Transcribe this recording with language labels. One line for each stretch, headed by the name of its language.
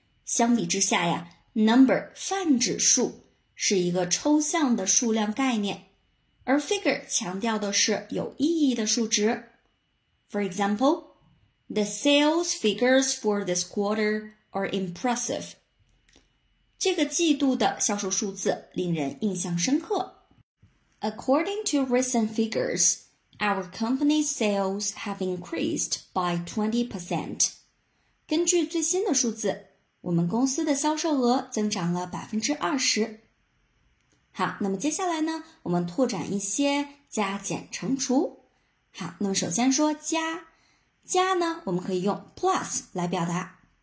Chinese: 相比之下呀 ，number 泛指数，是一个抽象的数量概念，而 figure 强调的是有意义的数值。
English: For example, the sales figures for this quarter. Or impressive.
Chinese: 这个季度的销售数字令人印象深刻。
English: According to recent figures, our company's sales have increased by 20%.
Chinese: 根据最新的数字，我们公司的销售额增长了 20%. 好，那么接下来呢，我们拓展一些加减乘除。好，那么首先说加。加呢，我们可以用 plus 来表达。